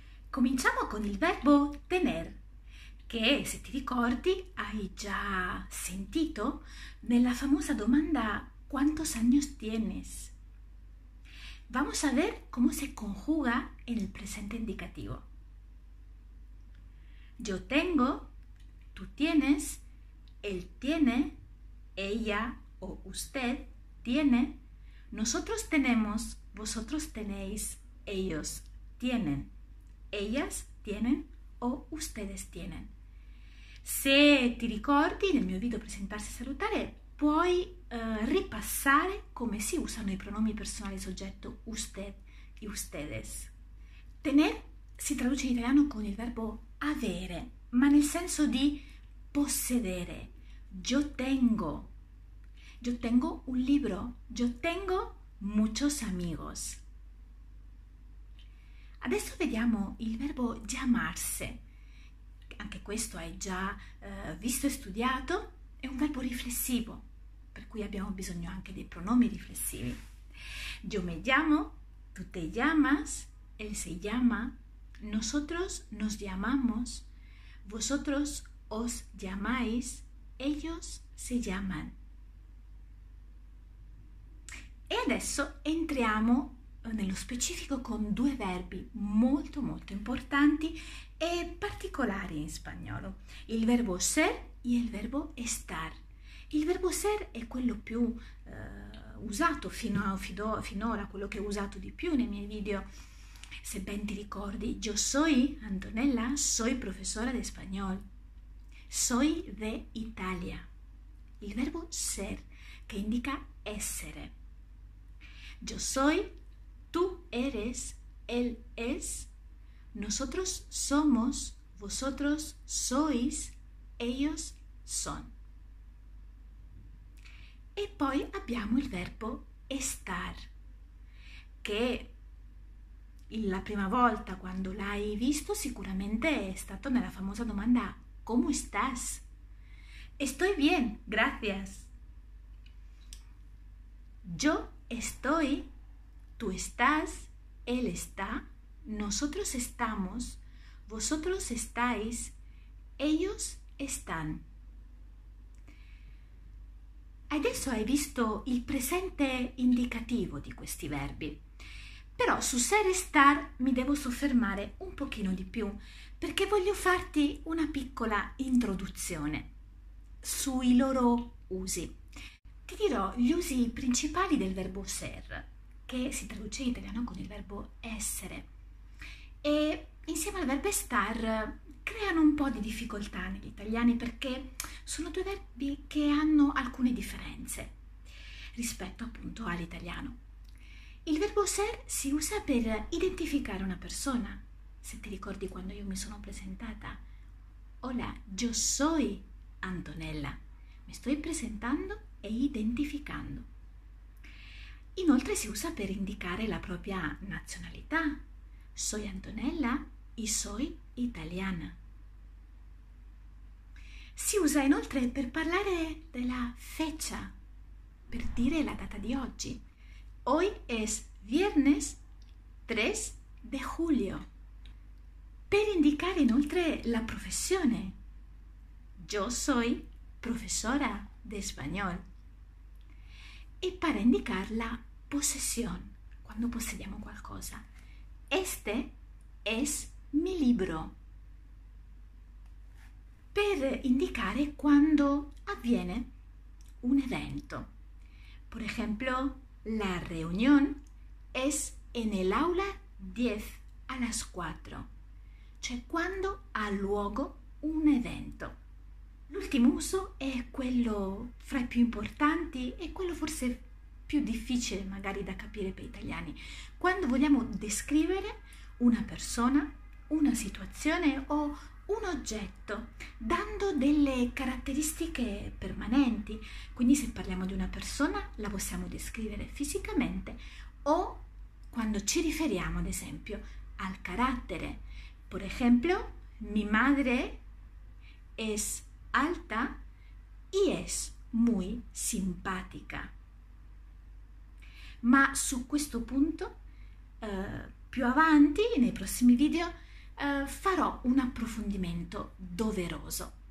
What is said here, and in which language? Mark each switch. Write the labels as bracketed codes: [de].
[it] Cominciamo con il verbo tener, che se ti ricordi hai già sentito nella famosa domanda [es] ¿Cuántos años tienes? Vamos a ver cómo se conjuga en el presente indicativo. Yo tengo, tú tienes, él tiene, ella o usted tiene, nosotros tenemos, vosotros tenéis, ellos tienen, ellas tienen o ustedes tienen. [it] Se ti ricordi, nel mio video presentarsi e salutare, puoi ripassare come si usano i pronomi personali soggetto [es] usted y ustedes. [it] Tener si traduce in italiano con il verbo avere, ma nel senso di possedere. [es] Yo tengo un libro, yo tengo muchos amigos. [it] Adesso vediamo il verbo llamarse. Anche questo hai già visto e studiato, è un verbo riflessivo, per cui abbiamo bisogno anche dei pronomi riflessivi. [es] Yo me llamo, tú te llamas, él se llama, nosotros nos llamamos, vosotros os llamáis, ellos se llaman. [it] E adesso entriamo nello specifico con due verbi molto molto importanti e particolari in spagnolo, il verbo ser e il verbo estar. Il verbo ser è quello più usato finora, quello che ho usato di più nei miei video. Se ben ti ricordi, [es] yo soy Antonella, soy profesora de español, soy de Italia. [it] Il verbo ser che indica essere. [es] Yo soy, tú eres, él es, nosotros somos, vosotros sois, ellos son. [it] E poi abbiamo il verbo estar, che la prima volta quando l'hai visto sicuramente è stato nella famosa domanda [es] ¿Cómo estás? Estoy bien, gracias. Yo estoy. Tú estás, él está, nosotros estamos, vosotros estáis, ellos están. [it] Adesso hai visto il presente indicativo di questi verbi, però su ser e star mi devo soffermare un pochino di più perché voglio farti una piccola introduzione sui loro usi. Ti dirò gli usi principali del verbo ser, che si traduce in italiano con il verbo essere. E insieme al verbo estar creano un po' di difficoltà negli italiani perché sono due verbi che hanno alcune differenze rispetto appunto all'italiano. Il verbo ser si usa per identificare una persona. Se ti ricordi quando io mi sono presentata, [es] Hola, yo soy Antonella. [it] Mi sto presentando e identificando. Inoltre si usa per indicare la propria nazionalità. [es] Soy Antonella y soy italiana. [it] Si usa inoltre per parlare della fecha, per dire la data di oggi. [es] Hoy es viernes 3 de julio. [it] Per indicare inoltre la professione. [es] Yo soy profesora de español. [it] E para indicarla possession, quando possediamo qualcosa. [es] Este es mi libro. [it] Per indicare quando avviene un evento. [es] Por ejemplo, la reunión es en el aula 10 a las 4, [it] cioè quando ha luogo un evento. L'ultimo uso è quello fra i più importanti e quello forse più difficile magari da capire per italiani, quando vogliamo descrivere una persona, una situazione o un oggetto, dando delle caratteristiche permanenti. Quindi se parliamo di una persona, la possiamo descrivere fisicamente o quando ci riferiamo, ad esempio, al carattere. [es] Por ejemplo, mi madre es alta y es muy simpática. [it] Ma su questo punto, più avanti, nei prossimi video, farò un approfondimento doveroso.